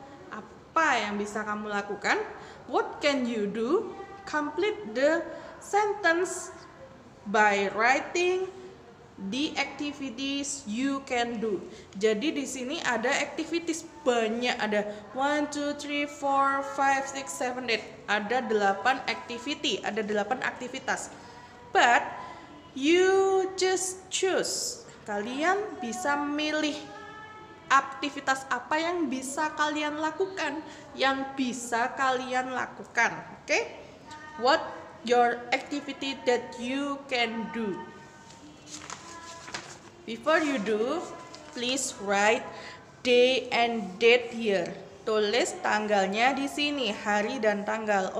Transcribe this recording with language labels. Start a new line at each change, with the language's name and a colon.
Indonesian: Apa yang bisa kamu lakukan?
English: What can you do? Complete the sentence by writing the activities you can do.
Indonesian: Jadi di sini ada activities banyak, ada 1 2 3 4 5 6 7 8. Ada 8 activity, ada 8 aktivitas.
English: But you just choose.
Indonesian: Kalian bisa milih aktivitas apa yang bisa kalian lakukan, yang bisa kalian lakukan.
English: Oke? Okay? What your activity that you can do. Before you do, please write day and date here.
Indonesian: Tulis tanggalnya di sini, hari dan tanggal.